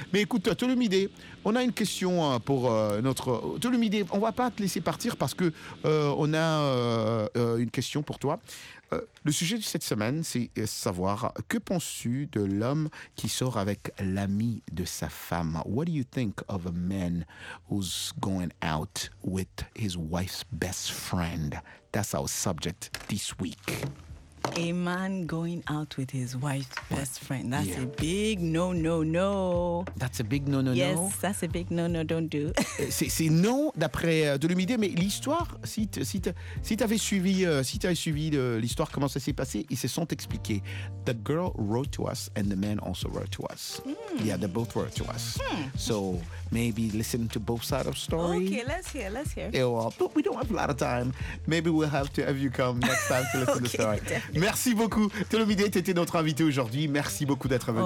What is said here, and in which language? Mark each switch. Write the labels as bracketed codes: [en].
[fr] Mais écoute, Tolomide, on a une question pour notre... Tolomide, on ne va pas te laisser partir parce qu'on a une question pour toi. Le sujet de cette semaine, c'est savoir que penses-tu de l'homme qui sort avec l'ami de sa femme? [en] What do you think of a man who's going out with his wife's best friend? That's our subject this week. A man going out with his wife's best friend. That's a big no, no, no. That's a big no, no, no. Yes, that's a big no, no, don't do. [fr] c'est non d'après Tolomide, mais l'histoire, si tu avais suivi l'histoire, comment ça s'est passé, ils se sont expliqués. [en] The girl wrote to us and the man also wrote to us. Mm. Yeah, they both wrote to us. Hmm. So maybe listen to both sides of story. Okay, let's hear. But we don't have a lot of time. Maybe we'll have to have you come next time to listen to the story. Definitely. [fr] Merci beaucoup. Tolomide, tu étais notre invité aujourd'hui. Merci beaucoup d'être venu.